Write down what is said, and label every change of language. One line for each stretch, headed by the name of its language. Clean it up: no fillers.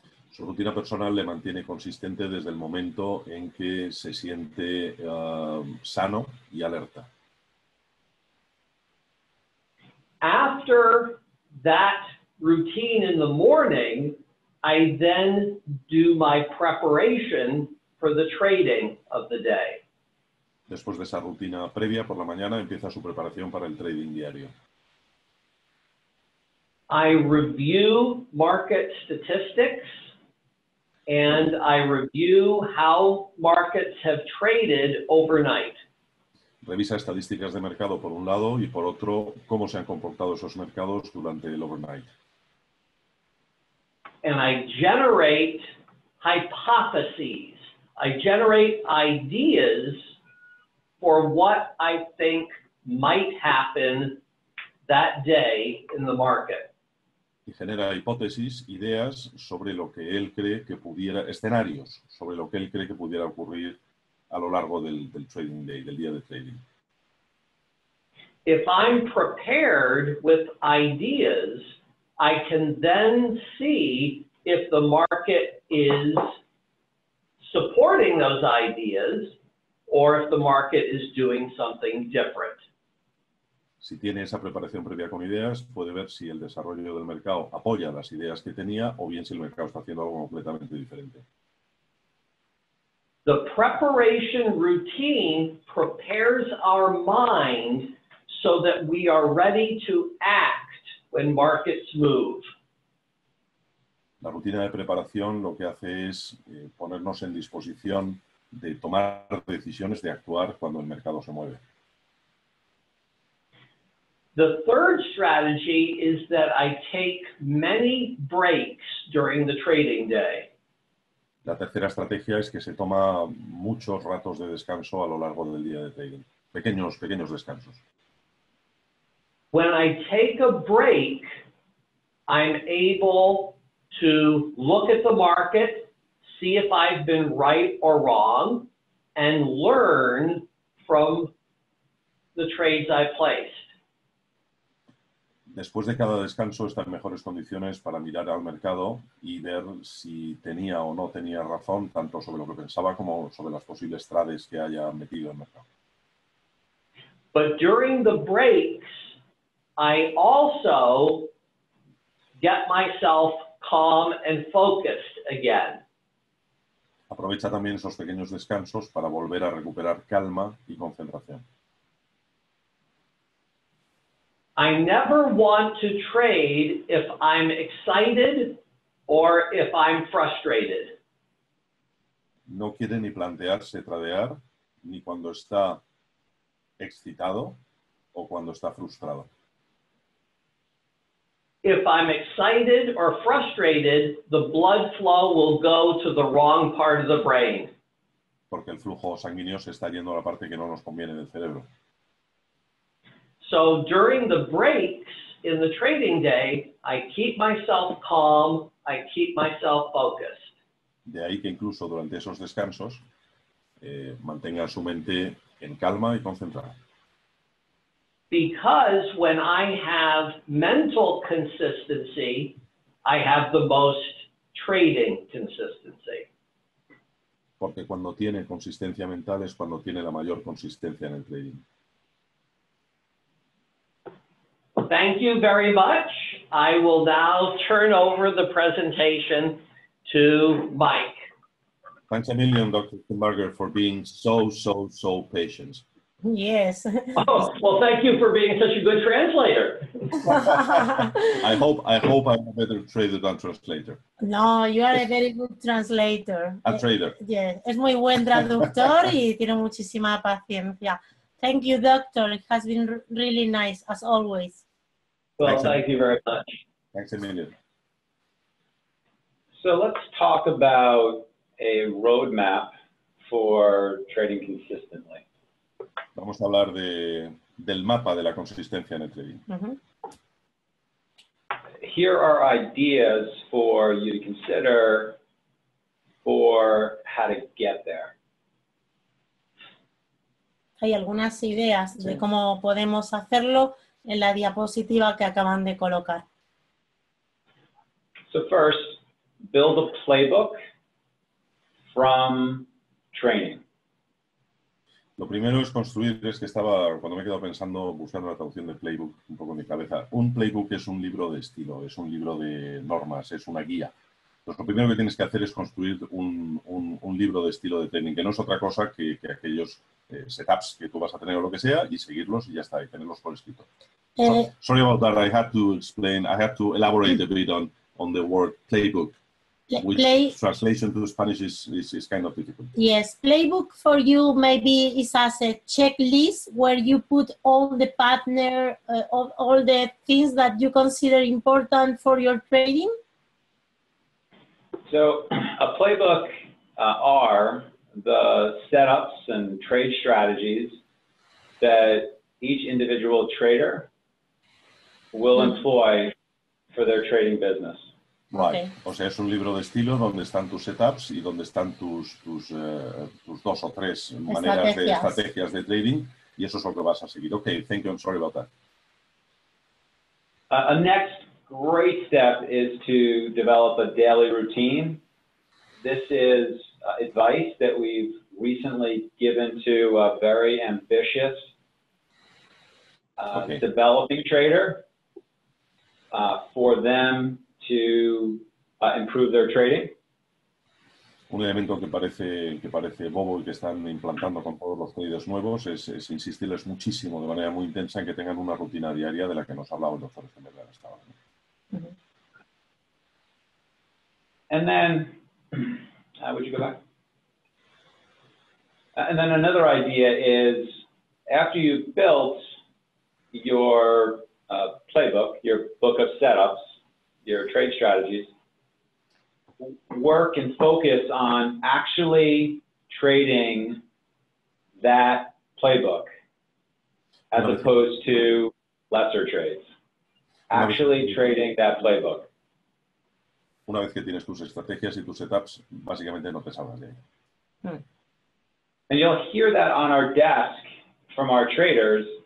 Spanish: Su rutina personal le mantiene consistente desde el momento en que se siente sano y alerta.
English: After that routine in the morning, I then do my preparation for the trading of the day.
Spanish: Después de esa rutina previa por la mañana, empieza su preparación para el trading diario.
English: I review market statistics. And I review how markets have traded overnight.
Spanish: Revisa estadísticas de mercado por un lado y por otro, cómo se han comportado esos mercados durante el overnight.
English: And I generate hypotheses. I generate ideas for what I think might happen that day in the market.
Spanish: Y genera hipótesis, ideas sobre lo que él cree que pudiera, escenarios sobre lo que él cree que pudiera ocurrir a lo largo del trading day, del día de trading.
English: If I'm prepared with ideas, I can then see if the market is supporting those ideas or if the market is doing something different.
Spanish: Si tiene esa preparación previa con ideas, puede ver si el desarrollo del mercado apoya las ideas que tenía o bien si el mercado está haciendo algo completamente diferente.
English: The preparation routine prepares our mind so that we are ready to act when markets move.
Spanish: La rutina de preparación lo que hace es ponernos en disposición de tomar decisiones, de actuar cuando el mercado se mueve.
English: The third strategy is that I take many breaks during the trading day.
Spanish: La tercera estrategia es que se toma muchos ratos de descanso a lo largo del día de trading. Pequeños descansos.
English: When I take a break, I'm able to look at the market, see if I've been right or wrong, and learn from the trades I place.
Spanish: Después de cada descanso, está en mejores condiciones para mirar al mercado y ver si tenía o no tenía razón, tanto sobre lo que pensaba como sobre las posibles trades que haya metido en el mercado.
English: But during the breaks, I also get myself calm and focused again.
Spanish: Aprovecha también esos pequeños descansos para volver a recuperar calma y concentración.
English: I never want to trade if I'm excited or if I'm frustrated.
Spanish: No quiere ni plantearse tradear ni cuando está excitado o cuando está frustrado.
English: If I'm excited or frustrated, the blood flow will go to the wrong part of the brain.
Spanish: Porque el flujo sanguíneo se está yendo a la parte que no nos conviene del cerebro.
English: So during the breaks in the trading day, I keep myself calm, I keep myself focused.
Spanish: De ahí que incluso durante esos descansos, mantenga su mente en calma y concentrada.
English: Because when I have mental consistency, I have the most trading consistency.
Spanish: Porque cuando tiene consistencia mental es cuando tiene la mayor consistencia en el trading.
English: Thank you very much. I will now turn over the presentation to Mike. Thanks a million, Dr. Kimberger, for being so, so, so patient. Yes. Oh, well, thank you for being such a good translator. I hope I'm a better trader than translator. No, you are a very good translator. A trader. Yes.
Spanish: Es muy buen traductor y tiene muchísima paciencia.
English: Thank you, doctor. It has been really nice, as always. Well, thank you very much. Thanks a million. So let's talk about a roadmap for trading consistently.
Spanish: Vamos a hablar del mapa de la consistencia en el trading. Mm-hmm.
English: Here are ideas for you to consider for how to get there.
Spanish: Hay algunas ideas de cómo podemos hacerlo en la diapositiva que acaban de colocar.
English: So first, build a playbook from training.
Spanish: Lo primero es construir, es que estaba, cuando me he quedado pensando, buscando la traducción de playbook un poco en mi cabeza. Un playbook es un libro de estilo, es un libro de normas, es una guía. Pues lo primero que tienes que hacer es construir un libro de estilo de training, que no es otra cosa que aquellos setups que tú vas a tener o lo que sea, y seguirlos y ya está, y tenerlos por escrito.
English: Sorry about that, I had to explain, I had to elaborate a bit on the word playbook. Translation to Spanish is kind of difficult. Yes, playbook for you maybe is as a checklist where you put all the partner, all the things that you consider important for your training. So a playbook are the setups and trade strategies that each individual trader will employ for their trading business. Right.
Spanish: Okay. O sea, es un libro de estilo donde están tus setups y donde están tus dos o tres maneras de estrategias de trading, y eso es lo que vas a seguir.
English: Okay, thank you, I'm sorry about that. A next great step is to develop a daily routine. This is advice that we've recently given to a very ambitious developing trader for them to improve their trading.
Spanish: Un elemento que parece bobo y que están implantando con todos los traders nuevos es insistirles muchísimo de manera muy intensa en que tengan una rutina diaria de la que nos ha hablado el doctor SMB hasta ahora. Mm-hmm.
English: And then, would you go back? And then another idea is, after you've built your playbook, your book of setups, your trade strategies, work and focus on actually trading that playbook as opposed to lesser trades. Actually trading that playbook.
Spanish: Una vez que tienes tus estrategias y tus setups, básicamente no te salgas de ahí.
English: And you'll hear that on our desk from our traders.